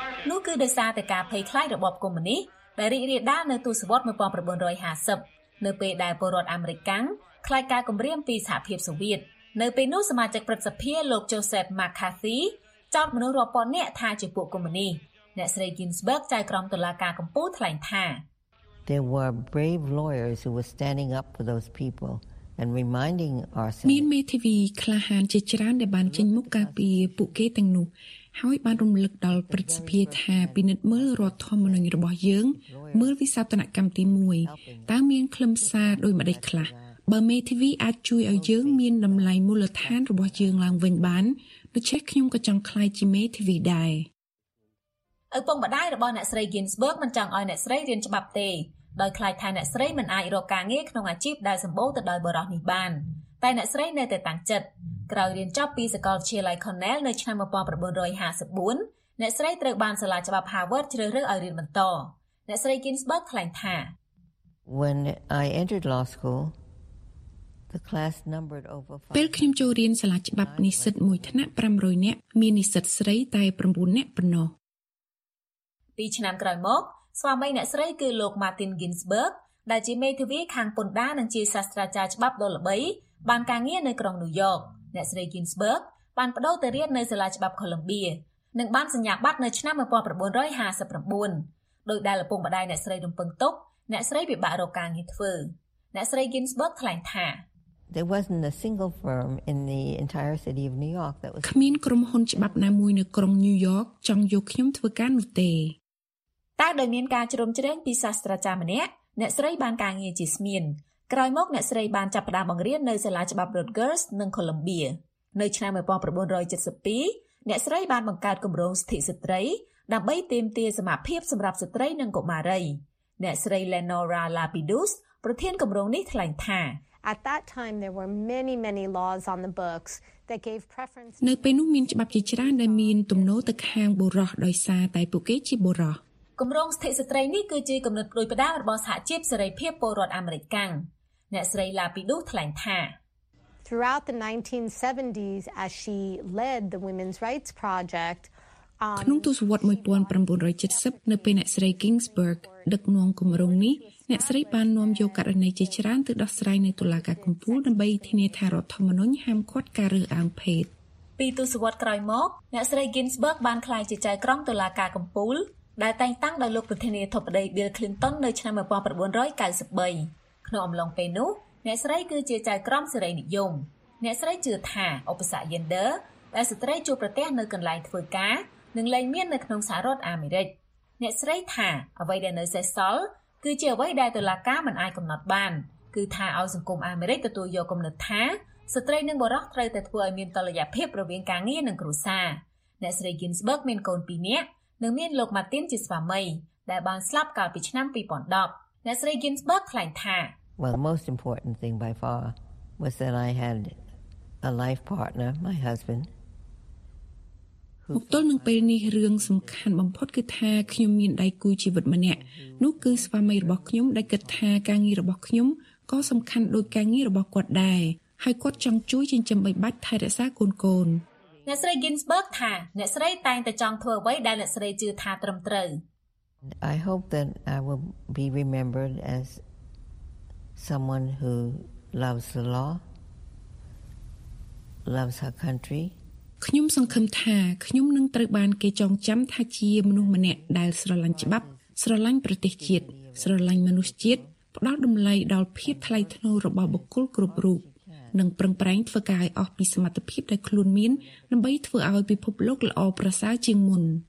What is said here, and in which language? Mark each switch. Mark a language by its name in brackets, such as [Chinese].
[Khmer] នោះគឺដោយសារតែការភ័យខ្លាចរបបកុម្មុយនីសដែលរីករាលដាលនៅទសវត្សរ៍1950នៅពេលដែលពលរដ្ឋអាមេរិកខ្លាចការគំរាមពីសហភាពសូវៀតនៅពេលនោះសមាជិកព្រឹទ្ធសភាលោក Joseph McCarthy ចោទមនុស្សរាប់ពាន់នាក់ថាជាពួកកុម្មុយនីសអ្នកស្រី Ginsburg ចៅក្រមតុលាការកំពូលថ្លែងថា [English] There were brave lawyers who were standing up for those people and reminding our [Khmer] មានមេធាវីក្លាហានជាច្រើនដែលបានចេញមុខការពារពួកគេទាំងនោះហើយបានរំលឹកដល់ព្រឹទ្ធសភាថាពិនិត្យមើលរដ្ឋធម្មនុញ្ញរបស់យើងមើលវិសាស្ត្រកម្មទី1តើមានខ្លឹមសារដូចម្តេចខ្លះបើមេធាវីអាចជួយឲ្យយើងមានតម្លៃមូលដ្ឋានរបស់យើងឡើងវិញបានដូច្នេះខ្ញុំក៏ចង់ក្លាយជាមេធាវីដែរ ឪពុកម្ដាយរបស់អ្នកស្រី Ginsburg មិនចង់ឲ្យអ្នកស្រីរៀនច្បាប់ទេដោយខ្លាចថាអ្នកស្រីមិនអាចរកការងារក្នុងអាជីពដែលសម្បូរទៅដោយបរិយនេះបានតែអ្នកស្រីនៅតែតាំងចិត្តក្រោយរៀនចប់ពីសាកលវិទ្យាល័យ Cornell នៅឆ្នាំ1954អ្នកស្រីត្រូវបានសាលាច្បាប់ Harvard ជ្រើសរើសឲ្យរៀនបន្តអ្នកស្រី Ginsburg ថ្លែងថា [English] When I entered law school the class numbered over 5 [Khmer] ពេលខ្ញុំចូលរៀនសាលាច្បាប់និស្សិតមួយថ្នាក់500នាក់មាននិស្សិតស្រីតែ9នាក់ប៉ុណ្ណោះ ពីឆ្នាំក្រោយមកស្វាមីអ្នកស្រីគឺលោក Martin Ginsburg ដែលជាមេធាវីខាងពន្ធដារនិងជាសាស្ត្រាចារ្យច្បាប់ដ៏ល្បីបានការងារនៅក្រុង New York អ្នកស្រី Ginsburg បានបដូរទៅរៀននៅសាលាច្បាប់ Columbia និងបានសញ្ញាបត្រនៅឆ្នាំ1959ដោយដែលឪពុកម្ដាយអ្នកស្រីរំពឹងទុកអ្នកស្រីពិបាករកការងារធ្វើអ្នកស្រី Ginsburg ថ្លែងថា [English] There wasn't a single firm in the entire city of New York that was [Khmer] គ្មានក្រុមហ៊ុនច្បាប់ណាមួយនៅក្រុង New York ចង់យកខ្ញុំធ្វើការនោះទេ តែដោយមានការជ្រោមជ្រែងពីសាស្ត្រាចារ្យម្នាក់អ្នកស្រីបានការងារជាស្មៀនក្រោយមកអ្នកស្រីបានចាប់ផ្ដើមបង្រៀននៅសាលាច្បាប់ Rutgers នៅ Columbia នៅឆ្នាំ1972 អ្នកស្រីបានបង្កើតគម្រោងសិទ្ធិស្ត្រីដើម្បីទាមទារសមភាពសម្រាប់ស្ត្រីនិងកុមារីអ្នកស្រី Lenora Lapidus ប្រធានគម្រោងនេះថ្លែងថា នៅពេលនោះមានច្បាប់ជាច្រើនដែលមានទំនោរទៅខាងបុរសដោយសារតែពួកគេជាបុរស គម្រោងសិទ្ធិស្ត្រីនេះគឺជាកំណត់ព្រួយបដារបស់សហជីពសេរីភាពពលរដ្ឋអាមេរិកកាំងអ្នកស្រី Lapidus ថ្លែងថា [English] Throughout the 1970s as she led the women's rights project [Khmer] ក្នុងទសវត្ស1970នៅពេលអ្នកស្រី Ginsburg ដឹកនាំគម្រោងនេះអ្នកស្រីបាននាំយកករណីជាច្រើនទៅដោះស្រាយនៅតុលាការកំពូលដើម្បីធានាថារដ្ឋធម្មនុញ្ញហាមឃាត់ការរើសអើងភេទ ពីទសវត្សក្រោយមកអ្នកស្រី Ginsburg បានក្លាយជាចៅក្រមតុលាការកំពូលដែលតែងតាំងដោយលោកប្រធានាធិបតី Bill Clinton នៅឆ្នាំ1993ក្នុងអំឡុងពេលនោះអ្នកស្រីគឺជាចៅក្រមសេរីនិយមអ្នកស្រីជឿថាឧបសគ្គ gender ដែលស្ត្រីជួបប្រទះនៅកន្លែងធ្វើការនិងលែងមាននៅក្នុងសហរដ្ឋអាមេរិក អ្នកស្រីថាអ្វីដែលនៅសេសសល់គឺជាអ្វីដែលតុលាការមិនអាចកំណត់បានគឺថាឲ្យសង្គមអាមេរិកទទួលយកគំនិតថាស្ត្រីនិងបុរសត្រូវតែធ្វើឲ្យមានតុល្យភាពរវាងការងារនិងគ្រួសារអ្នកស្រី Ginsburg មានកូន2នាក់និងមានលោក Martin ជាស្វាមីដែលបានស្លាប់កាលពីឆ្នាំ2010អ្នកស្រី Ginsburg ថ្លែងថា [English] Well, the most important thing by far was that I had a life partner, my husband. [Khmer] មកទល់នឹងពេលនេះរឿងសំខាន់បំផុតគឺថាខ្ញុំមានដៃគូជីវិតម្នាក់នោះគឺស្វាមីរបស់ខ្ញុំដែលគិតថាការងាររបស់ខ្ញុំក៏សំខាន់ដូចការងាររបស់គាត់ដែរហើយគាត់ចង់ជួយចិញ្ចឹមបីបាច់ថែរក្សាកូនកូន អ្នកស្រី Ginsburg ថាអ្នកស្រីតែងតែចង់ធ្វើអ្វីដែលអ្នកស្រីជឿថាត្រឹមត្រូវ [English] I hope that I will be remembered asSomeone who loves the law, loves her country. [Khmer] ខ្ញុំសង្ឃឹមថាខ្ញុំនឹងត្រូវបានគេចងចាំថាជាមនុស្សម្នាក់ដែលស្រឡាញ់ច្បាប់ស្រឡាញ់ប្រទេសជាតិស្រឡាញ់មនុស្សជាតិផ្ដល់តម្លៃដល់ភាពថ្លៃថ្នូររបស់បុគ្គលគ្រប់រូបនិងប្រឹងប្រែងធ្វើការឲ្យអស់ពីសមត្ថភាពដែលខ្លួនមានដើម្បីធ្វើឲ្យពិភពលោកល្អប្រសើរជាងមុន